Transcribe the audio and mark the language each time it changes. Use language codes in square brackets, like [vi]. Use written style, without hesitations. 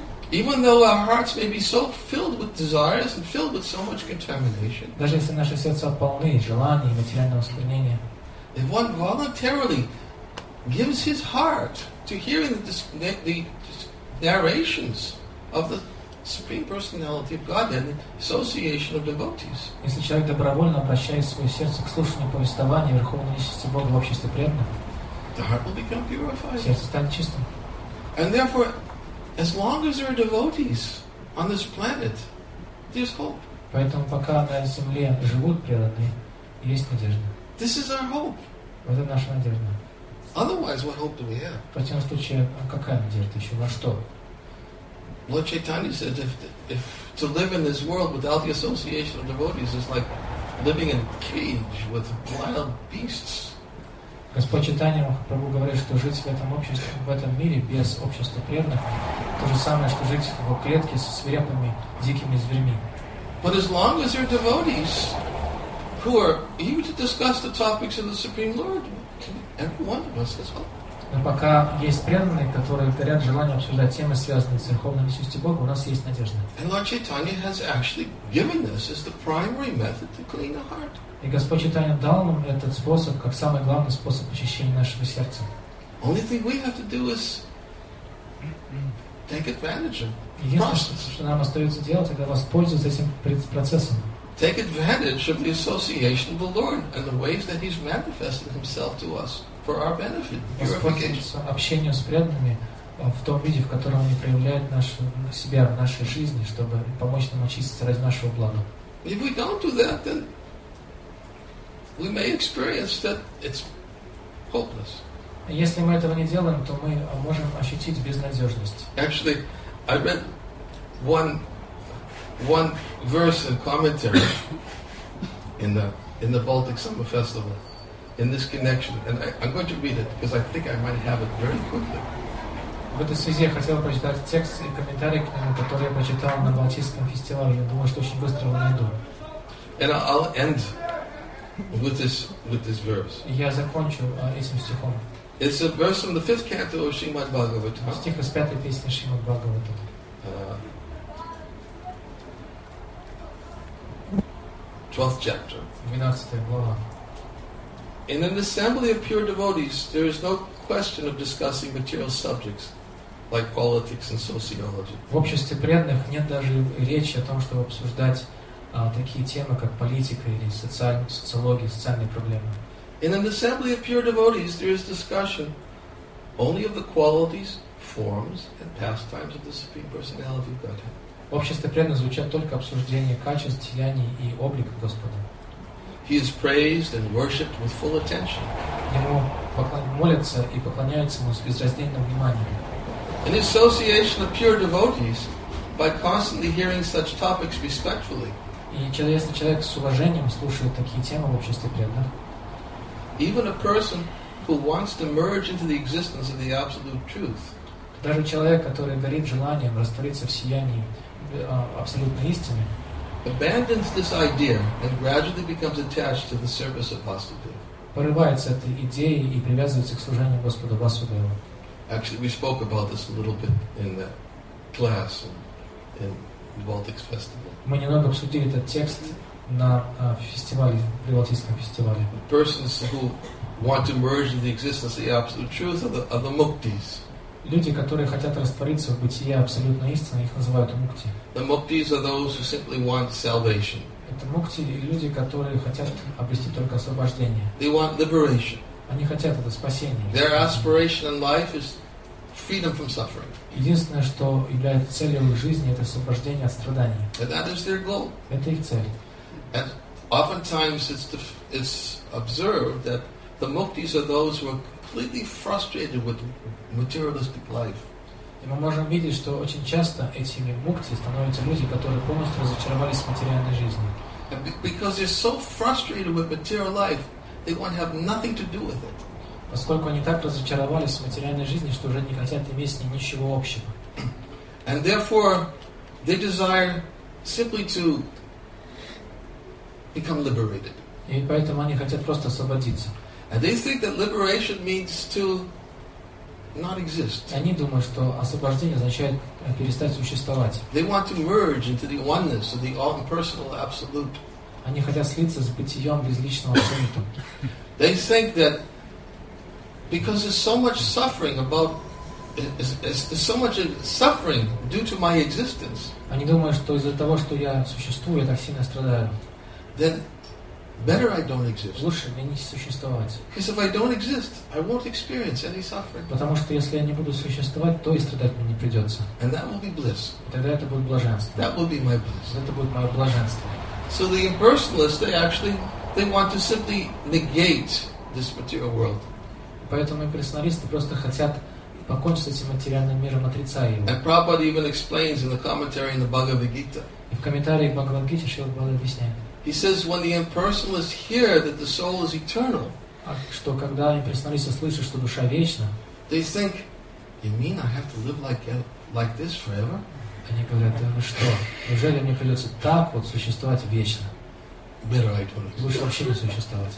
[en] Even though our hearts may be so filled with desires and filled with so much contamination, [ru] даже если наши сердца полны желаний и материального осквернения, [en] if one voluntarily gives his heart to hearing the narrations of the Supreme Personality of Godhead, association of devotees, [ru] если человек добровольно обращает свое сердце к слушанию повествования Верховной Личности Бога в обществе преданных, [en] the heart will become purified. [ru] Сердце станет чистым. [en] And therefore, as long as there are devotees on this planet, there's hope. [ru] Поэтому пока на земле живут природные, есть надежда. [en] This is our hope. [ru] Вот это наша надежда. [en] Otherwise, what hope do we have? [ru] В противном случае, а какая надежда еще? Во что? [en] Lord Chaitanya said, if to live in this world without the association of devotees is like living in a cage with wild beasts. [ru] Господь Чайтанья Махапрабху говорит, что жить в этом обществе, в этом мире без общества преданных, то же самое, что жить в его клетке со свирепыми дикими зверьми. [en] But as long as your devotees, who are eager to discuss the topics of the Supreme Lord, every one of us is hope. [ru] Но пока есть преданные, которые горят желанием обсуждать темы, связанные с Верховной Личностью Бога, у нас есть надежда. [en] And Lord Chaitanya has actually given this as the primary method to clean the heart. [ru] И Господь Чайтанья дал нам этот способ как самый главный способ очищения нашего сердца. [en] Only thing we have to do is take advantage of the process. [ru] Единственное, что нам остается делать, это воспользоваться этим процессом. [en] Take advantage of the association of the Lord and the ways that He's manifested Himself to us for our benefit. [ru] Воспользоваться общением с преданными в том виде, в котором они проявляют себя в нашей жизни, чтобы помочь нам очиститься ради нашего блага. [en] If we don't do that, then we may experience that it's hopeless. [ru] Если мы этого не делаем, то мы можем ощутить безнадежность. [en] Actually, I read one verse and commentary in the Baltic Summer Festival in this connection, and I'm going to read it because I think I might have it very quickly. [ru] В этой связи я хотел прочитать текст и комментарий к нему, который я прочитал на Балтийском фестивале. Я думаю, что очень быстро его найду. [en] And I'll end with this verse. [ru] Я закончу этим стихом. [en] It's a verse from the fifth canto of Srimad Bhagavatam. [ru] Стих из пятой песни Шримад Бхагаватам. [en] Twelfth chapter. [ru] 12 глава. [en] In an assembly of pure devotees, there is no question of discussing material subjects like politics and sociology. [ru] В обществе преданных нет даже речи о том, чтобы обсуждать такие темы, как политика или социология, социальные проблемы. [en] In an assembly of pure devotees, there is discussion only of the qualities, forms, and pastimes of the Supreme Personality of Godhead. [ru] В обществе преданных звучат только обсуждения качеств, деяний и облика Господа. [en] He is praised and worshipped with full attention. [ru] Ему молятся и поклоняются ему с безраздельным вниманием. [en] In the association of pure devotees, by constantly hearing such topics respectfully, [ru] и если человек с уважением слушает такие темы в обществе преданных, [en] even a person who wants to merge into the existence of the absolute truth, [ru] даже человек, который горит желанием раствориться в сиянии абсолютной истины, [en] abandons this idea and gradually becomes attached to the service of Vasudeva. [ru] Порывается от идеи и привязывается к служению Господу Васудеву. [en] Actually, we spoke about this a little bit in the class in the Baltics Festival. [ru] Мы немного обсудили этот текст на фестивале, при Балтийском фестивале. [en] Persons who want to merge in the existence of the absolute truth are the muktis. [ru] Люди, которые хотят раствориться в бытие абсолютной истины, их называют мукти. [en] The muktis are those who simply want salvation. [ru] Это мукти и люди, которые хотят обрести только освобождение. [en] They want liberation. [ru] Они хотят это спасение. [en] Their aspiration in life is freedom from suffering. [ru] Единственное, что является целью их жизни, это освобождение от страданий. [en] And that is their goal. [ru] Это их цель. [en] And oftentimes it's observed that the muktis are those who are completely frustrated with materialistic life. [ru] И мы можем видеть, что очень часто этими мукти становятся люди, которые полностью разочаровались в материальной жизни. [en] And because they're so frustrated with material life, they want to have nothing to do with it. [ru] Поскольку они так разочаровались в материальной жизни, что уже не хотят иметь с ней ничего общего. [en] And therefore, they desire simply to become liberated. [ru] И поэтому они хотят просто освободиться. [en] And they think that liberation means to not exist. [ru] Они думают, что освобождение означает перестать существовать. [en] They want to merge into the oneness of the all-impersonal absolute. [ru] Они хотят слиться с бытием безличного абсолюта. [en] They think that because there's so much suffering about there's so much suffering due to my existence. [ru] Они думают, что из-за того, что я существую, я так сильно страдаю. [en] Then Better I don't exist. [ru] Лучше мне не существовать. [en] Because if I don't exist, I won't experience any suffering. [ru] Потому что если я не буду существовать, то и страдать мне не придется. [en] And that will be bliss. [ru] Тогда это будет блаженство. [en] That will be my bliss. [ru] Это будет мое блаженство. [en] So the impersonalists, they want to simply negate this material world. [ru] Поэтому имперсоналисты просто хотят покончить с этим материальным миром, отрицая его. [en] And Prabhupada even explains in the commentary in the Bhagavad Gita. [ru] И в комментарии Бхагавад Гите Шрила Прабхупада объясняет. [en] He says when the impersonalists hear that the soul is eternal, [ru] что когда имперсоналисты слышат, что душа вечна, [en] they think, you mean I have to live like this forever? [ru] Они говорят, да вы что? Неужели мне придется так вот существовать вечно? [en] Better I don't exist. [ru] Лучше вообще не существовать.